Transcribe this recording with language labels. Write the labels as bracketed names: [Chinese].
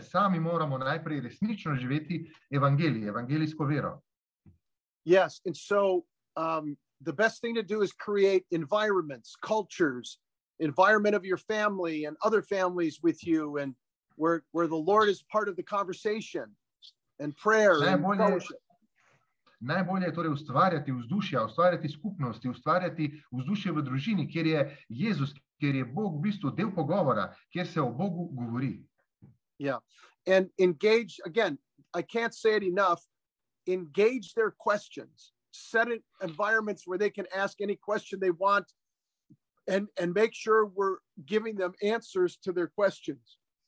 [Slovenian] Sami moramo najprej resnično živeti evangelijsko vero. [English] Yes, and so the best thing to do is create environments, cultures, environment of your family and other families with you and where the Lord is part of the conversation and prayer and fellowship. [Slovenian] Najbolje je torej ustvarjati vzdušja, ustvarjati skupnosti, ustvarjati vzdušje v družini, kjer je Jezus, kjer je Bog v bistvu del pogovora, kjer se o Bogu govori. [English] Yeah. And engage, again, I can't say it enough, engage their questions. Set in environments where they can ask any question they want and make sure we're giving them answers to their questions.